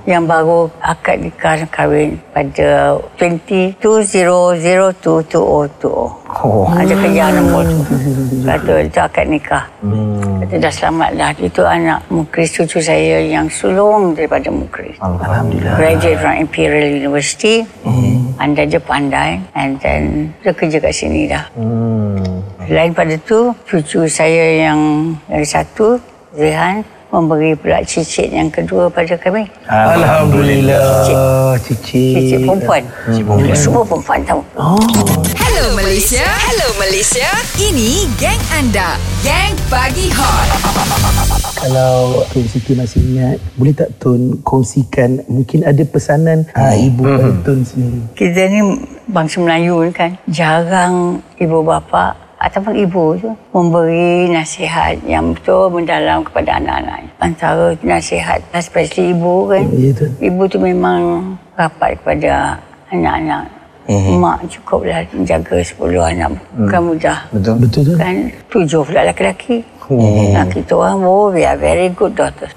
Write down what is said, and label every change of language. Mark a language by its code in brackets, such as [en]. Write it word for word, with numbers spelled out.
[ms] Yang baru akad nikah kahwin pada dua puluh dua ribu dua puluh. Oh. Ada kerjaan nombor tu. Kata itu akad nikah. Hmm. Kata dah selamat dah. Itu anak Mukris, cucu saya yang sulung daripada Mukris. Alhamdulillah. [en] Graduate from Imperial University. [ms] Hmm. Anda je pandai. [en] And then [ms] dia kerja kat sini dah. Hmm. Lain pada tu, cucu saya yang dari satu, Rehan, memberi pula cicit yang kedua pada kami. Alhamdulillah. Cicit. Cicit, cicit perempuan. Cicit perempuan. Semua perempuan tahu. Oh. Hello Malaysia, hello Malaysia. Ini geng anda, Geng Pagi Hot. Kalau Tun Siti masih ingat, boleh tak Tun kongsikan, mungkin ada pesanan hmm. ha, ibu hmm. pada Tun sendiri? Kita ni bangsa Melayu kan, jarang ibu bapa ataupun ibu tu memberi nasihat yang betul mendalam kepada anak-anak. Antara nasihat, especially ibu kan. Ya, tu. Ibu tu memang rapat kepada anak-anak. Mm-hmm. Mak cukuplah menjaga sepuluh anak. Bukan mm. mudah. Betul. Betul tu. Kan tujuh pula lelaki-lelaki. Mm. Nah, kita orang, oh, [en] we are very good daughters.